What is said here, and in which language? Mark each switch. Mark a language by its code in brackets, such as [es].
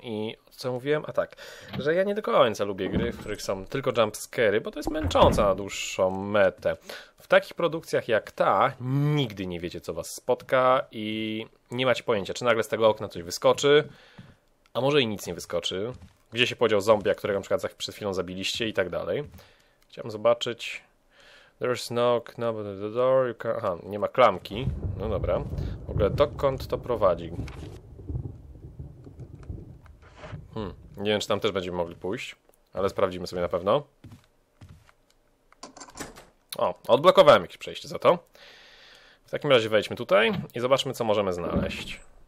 [pl] I co mówiłem? A tak, że ja nie do końca lubię gry, w których są tylko jumpscary, bo to jest męczące na dłuższą metę. W takich produkcjach jak ta, nigdy nie wiecie, co was spotka i nie macie pojęcia, czy nagle z tego okna coś wyskoczy, a może i nic nie wyskoczy, gdzie się podział zombie, którego na przykład przed chwilą zabiliście i tak dalej. Chciałem zobaczyć... [en] There's no knob at the door, you can... [pl] Aha, nie ma klamki. No dobra. W ogóle dokąd to prowadzi? Nie wiem, czy tam też będziemy mogli pójść, ale sprawdzimy sobie na pewno. O, odblokowałem jakieś przejście za to. W takim razie wejdźmy tutaj i zobaczmy, co możemy znaleźć.